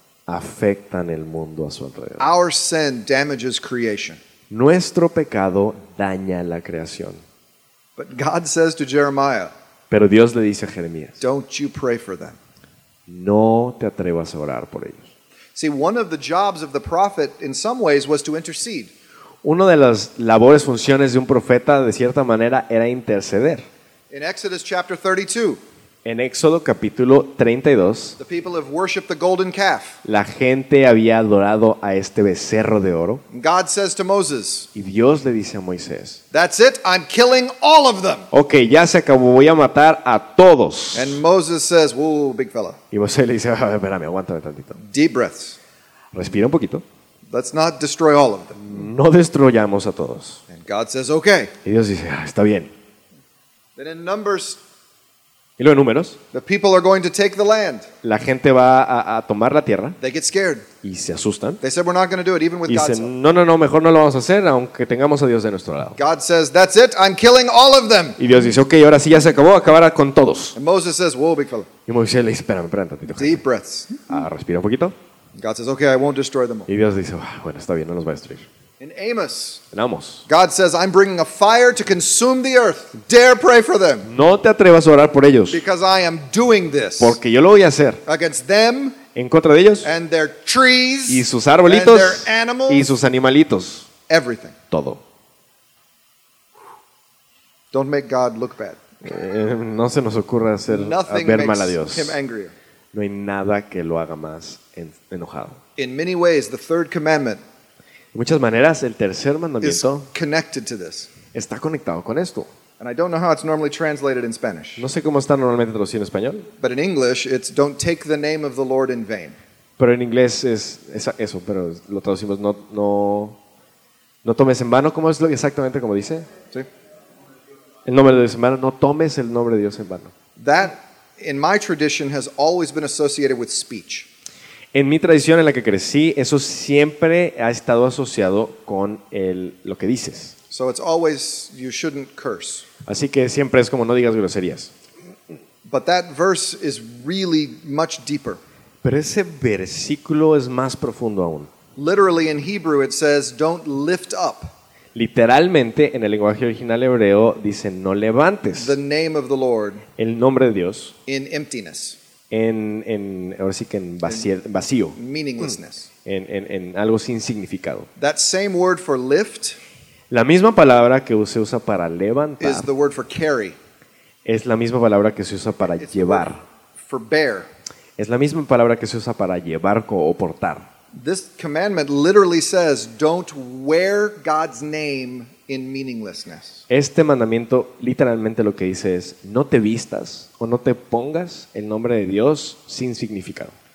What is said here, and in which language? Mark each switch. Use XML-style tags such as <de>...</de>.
<es>Afectan el mundo a su alrededor.</es> <en>Our sin damages creation.</en> <es>Nuestro pecado daña la creación.</es> <en>But God says to Jeremiah,</en> <es>pero Dios le dice a Jeremías,</es> <en>don't you pray for them.</en> <es>No te atrevas a orar por ellos.</es> <en>See, one of the jobs of the prophet in some ways was to intercede.</en> <es>Una de las labores, funciones de un profeta, de cierta manera, era interceder.</es> <en>In Exodus chapter 32,</en> <es>en Éxodo capítulo 32,</es> <en>the people have worshipped the golden calf.</en> <es>La gente había adorado a este becerro de oro.</es> <en>God says to Moses,</en> <es>y Dios le dice a Moisés,</es> <en>that's it, I'm killing all of them.</en> <es>Okay, ya se acabó, voy a matar a todos.</es> <en>And Moses says, whoa, big fella.</en> <es>Y Moisés le dice, espérame, aguántame tantito.</es> <en>Deep breaths.</en> <es>Respira un poquito.</es> <en>Let's not destroy all of them.</en> <es>No destruyamos a todos.</es> <en>And God says, okay.</en> <es>Y Dios dice, está bien.</es> <en>Then in Numbers,</en> <es>y luego en Números,</es> <en>the people are going to take the land.</en> <es>La gente va a tomar la tierra.</es> <en>They get scared.</en> <es>Y se asustan.</es> <en>They said, we're not going to do it, even with God's help.</en> <es>No, mejor no lo vamos a hacer, aunque tengamos a Dios de nuestro lado.</es> <en>God says, that's it, I'm killing all of them.</en> <es>Y Dios dice, okay, ahora sí ya se acabó, acabará con todos.</es> <en>And Moses says, whoa, big fella.</en> <es>Y Moisés le dice, espérame, tantito.</es> <en>Deep breaths.</en> <es>Respira un poquito.</es> <en>God says, okay, I won't destroy them all.</en> <es>Y Dios dice, bueno, está bien, no los va a destruir.</es> <en>In Amos,</en> <es>en Amos,</es> <en>God says, I'm bringing a fire to consume the earth. Dare pray for them.</en> <es>No te atrevas a orar por ellos.</es> <en>Because I am doing this.</en> <es>Porque yo lo voy a hacer.</es> <en>Against them.</en> <es>En contra de ellos.</es> <en>And their trees.</en> <es>Y sus arbolitos.</es> <en>And their animals.</en> <es>Y sus animalitos.</es> <en>Everything.</en> <es>Todo.</es> <en>Don't make God look bad.</en> <es>No se nos ocurra hacer ver mal a Dios.</es> <en>Him angrier.</en> <es>No hay nada que lo haga más enojado.</es> <en>In many ways, the third commandment.</en> <es>De muchas maneras, el tercer mandamiento</es> <en>connected to this.</en> <es>Está conectado con esto.</es> <en>And I don't know how it's normally translated in Spanish.</en> <es>No sé cómo está normalmente traducido en español.</es> <en>But in English, it's don't take the name of the Lord in vain.</en> <es>Pero en inglés es eso, pero lo traducimos no tomes en vano. ¿Cómo es lo exactamente como dice? Sí. El nombre de Dios en vano. No tomes el nombre de Dios en vano.</es> <en>That, in my tradition, has always been associated with speech.</en> <es>En mi tradición en la que crecí, eso siempre ha estado asociado con el, lo que dices.</es> <en>So it's always, you shouldn't curse.</en> <es>Así que siempre es como no digas groserías.</es> <en>But that verse is really much deeper.</en> <es>Pero ese versículo es más profundo aún.</es> <en>Literally in Hebrew it says, don't lift up.</en> <es>Literalmente en el lenguaje original hebreo dice no levantes</es> <en>the name of the Lord</en> <es>el nombre de Dios</es> <en>in emptiness.</en> <es>En ahora sí que en vacío</es> <en>meaninglessness.</en> <es>En algo sin significado.</es> <en>That same word for lift,</en> <es>la misma palabra que se usa para levantar</es> <en>is the word for carry.</en> <es>Es la misma palabra que se usa para</es> <en>it's</en> <es>llevar</es> <en>for bear.</en> <es>Es la misma palabra que se usa para llevar o portar.</es> <en>This commandment literally says, "Don't wear God's name in meaninglessness."</en> <es>Este mandamiento literalmente lo que dice es, no te vistas o no te pongas el nombre de Dios sin significado.</es>